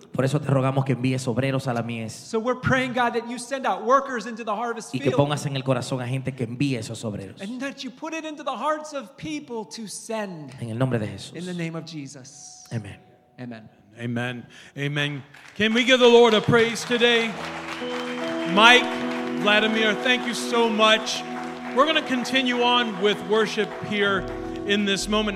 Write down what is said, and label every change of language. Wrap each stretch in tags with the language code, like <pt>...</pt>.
<es>Por eso te rogamos que envíes obreros a la mies.</es> <en>So we're praying, God, that you send out workers into the harvest field.</en> <es>Y que pongas en el corazón a gente que envíe esos obreros.</es> <en>And that you put it into the hearts of people to send.</en> <es>En el nombre de Jesús.</es> <en>In the name of Jesus.</en> <es>Amen.</es> <en>Amen. Amen. Amen. Can we give the Lord a praise today? Mike, Vladimir, thank you so much. We're going to continue on with worship here in this moment.</en>